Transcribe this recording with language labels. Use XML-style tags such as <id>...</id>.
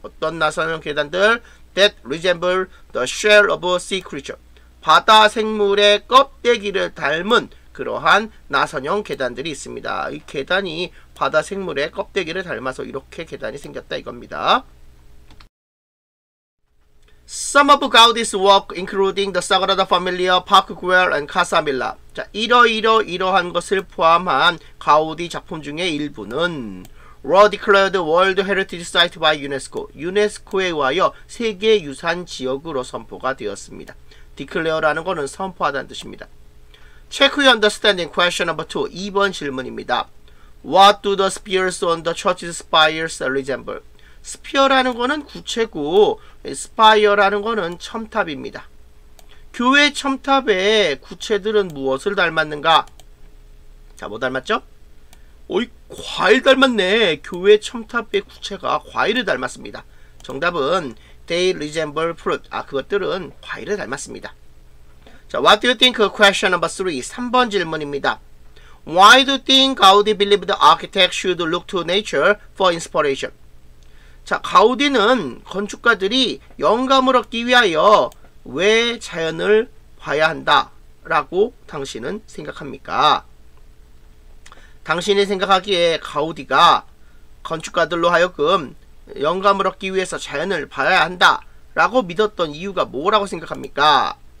<ko>어떤 나선형 계단들?</ko> <en>That resemble the shell of a sea creature.</en> <ko>바다 생물의 껍데기를 닮은 그러한 나선형 계단들이 있습니다. 이 계단이 바다 생물의 껍데기를 닮아서 이렇게 계단이 생겼다 이겁니다.</ko> <en>Some of Gaudi's work including the Sagrada Familia, Park Güell and Casa Milla.</en> <ko>자, 이러한 것을 포함한 가우디 작품 중에 일부는</ko> <en>were declared World Heritage Site by UNESCO.</en> <ko>유네스코에 의하여 세계 유산 지역으로 선포가 되었습니다. Declare라는 것은 선포하다는 뜻입니다.</ko> <en>Check your understanding. Question number 2.</en> <ko>2번 질문입니다.</ko> <en>What do the spears on the church's spires resemble?</en> <ko>Spear라는 거는 구체고 spire라는 거는 첨탑입니다. 교회 첨탑의 구체들은 무엇을 닮았는가? 자, 뭐 닮았죠? 어이, 과일 닮았네. 교회 첨탑의 구체가 과일을 닮았습니다. 정답은</ko> <en>they resemble fruit.</en> <ko>아, 그것들은 과일을 닮았습니다.</ko> <en>자, what do you think? Question number 3.</en> <ko>3번 질문입니다.</ko> <en>Why do you think Gaudi believed the architect should look to nature for inspiration?</en> <ko>자, 가우디는 건축가들이 영감을 얻기 위하여 왜 자연을 봐야 한다라고 당신은 생각합니까? 당신이 생각하기에 가우디가 건축가들로 하여금 영감을 얻기 위해서 자연을 봐야 한다라고 믿었던 이유가 뭐라고 생각합니까?</ko>